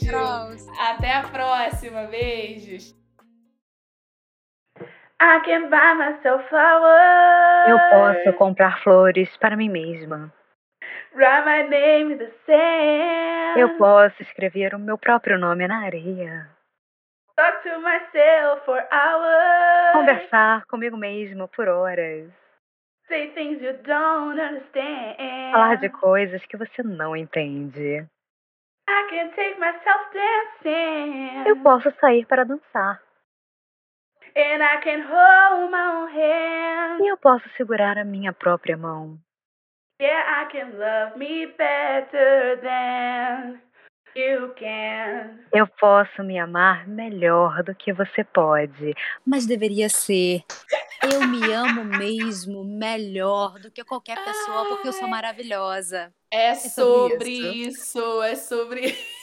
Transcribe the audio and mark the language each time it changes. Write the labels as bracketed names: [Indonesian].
[Portuguese] beijo. Até a próxima. Beijos. [English] I can buy myself [Portuguese] Carol. Eu posso [English] flowers. [Portuguese] comprar flores para mim mesma. [English] Write my name in the [Portuguese] Eu [English] sand. [Portuguese] posso escrever o meu próprio nome na areia. [English] Talk to myself for hours. [Portuguese] Conversar comigo mesmo por horas. [English] Say things you don't [Portuguese] Falar de [English] understand. [Portuguese] coisas que você não entende. [English] I can take myself [Portuguese] Eu [English] dancing. [Portuguese] posso sair para dançar. [English] And I can hold my own [Portuguese] E [English] hand. [Portuguese] eu posso segurar a minha própria mão. [English] Yeah, I can love me better than you can. [Portuguese] Eu posso me amar melhor do que você pode, mas deveria ser. Eu me amo mesmo melhor do que qualquer pessoa, porque eu sou maravilhosa. É É sobre isso. sobre isso, é sobre.